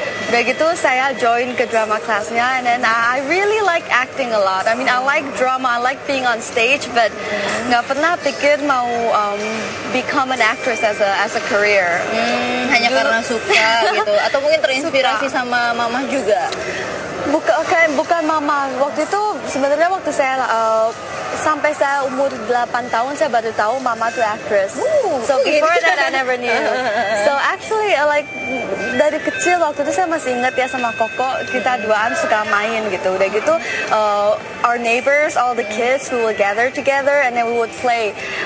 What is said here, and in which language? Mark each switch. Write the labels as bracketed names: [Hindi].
[Indonesian] Udah gitu saya join ke drama classnya, [English] and then I really like acting a lot. I mean, I like drama, I like being on stage, but [Indonesian] nggak pernah pikir mau [English] become an actress as a career. [Indonesian] Hanya karena suka gitu, atau mungkin terinspirasi suka sama mama juga. Bukan mama. Waktu itu sebenarnya waktu saya sampai saya umur 8 tahun saya baru tahu mama tuh actress. [English] So before that I never knew. So actually like [Indonesian] dari kecil waktu itu saya masih ingat ya sama koko, kita duaan suka main gitu. Udah gitu [English] our neighbors, all the kids, we would gather together and then we would play.